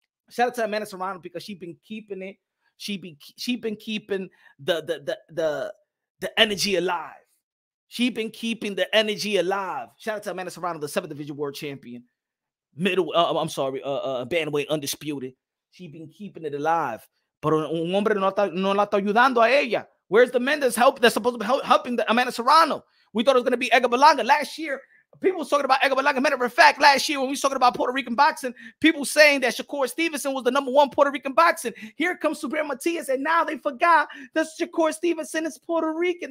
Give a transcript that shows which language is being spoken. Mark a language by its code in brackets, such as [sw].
[en] Shout out to Amanda Serrano because she's been keeping it. She's been keeping the energy alive. She's been keeping the energy alive. Shout out to Amanda Serrano, the 7th Division World Champion. Bantamweight Undisputed. She's been keeping it alive. [es] Pero un hombre no la está ayudando a ella. [en] Where's the men that's supposed to be helping Amanda Serrano? We thought it was going to be Edgar Belanga. Last year, people was talking about Edgar Belanga. Matter of fact, last year when we were talking about Puerto Rican boxing, people saying that Shakur Stevenson was the number one Puerto Rican boxing. Here comes Super Matias, and now they forgot that Shakur Stevenson is Puerto Rican.